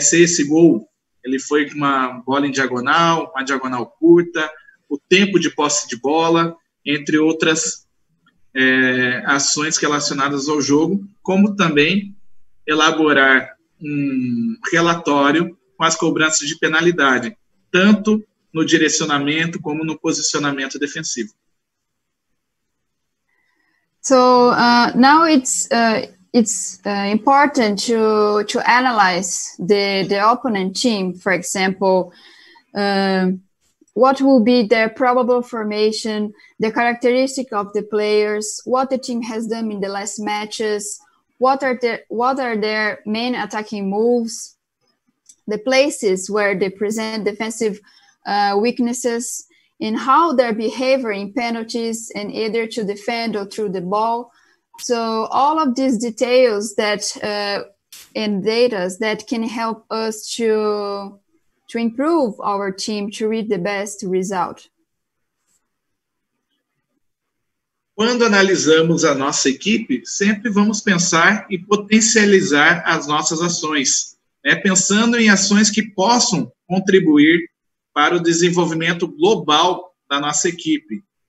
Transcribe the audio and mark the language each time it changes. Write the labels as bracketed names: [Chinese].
[Portuguese] Se esse gol ele foi com uma bola em diagonal, uma diagonal curta, o tempo de posse de bola, entre outras ações relacionadas ao jogo, como também elaborar um relatório com as cobranças de penalidade, tanto no direcionamento como no posicionamento defensivo. [English] So now it's important to analyze the opponent team, for example, what will be their probable formation, the characteristic of the players, what the team has done in the last matches, what are their main attacking moves, the places where they present defensive weaknesses, and how their behavior in penalties and either to defend or through the ball. So all of these details that and data that can help us to improve our team to read the best result. [Portuguese] Quando analisamos a nossa equipe, sempre vamos pensar e potencializar as nossas ações, né? Pensando em ações que possam contribuir para o desenvolvimento global da nossa equipe.